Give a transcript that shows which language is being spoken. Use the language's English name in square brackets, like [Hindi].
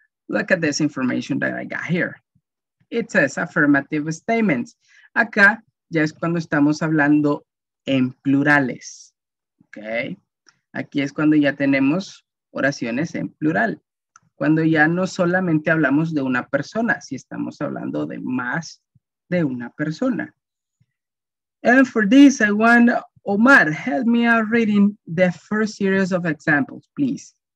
[English] Look at this information that I got here. It says affirmative statements. [Spanish] Acá ya es cuando estamos hablando en plurales. Ok. Aquí es cuando ya tenemos oraciones en plural. Cuando ya no solamente hablamos de una persona, si estamos hablando de más de una persona. [English] And for this, I want Omar, help me out reading the first series of examples, please.